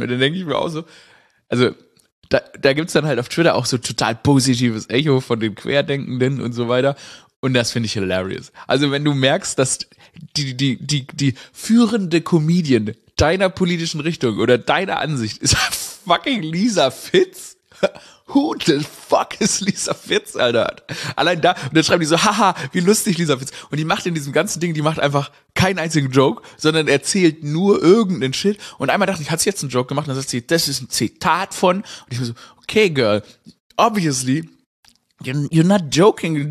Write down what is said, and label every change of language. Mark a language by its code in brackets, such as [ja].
[de] Und dann denke ich mir auch so, also da gibt es dann halt auf Twitter auch so total positives Echo von den Querdenkenden und so weiter. Und das finde ich hilarious. Also wenn du merkst, dass die führende Comedian deiner politischen Richtung oder deiner Ansicht ist fucking Lisa Fitz. [en] Who the fuck is Lisa Fitz, Alter? [de] Allein da, und dann schreiben die so, haha, wie lustig Lisa Fitz. Und die macht in diesem ganzen Ding, die macht einfach keinen einzigen Joke, sondern erzählt nur irgendeinen Shit. Und einmal dachte ich, hat sie jetzt einen Joke gemacht? Und dann sagt sie, das ist ein Zitat von. Und ich bin so, [en] okay, Girl, obviously, you're not joking.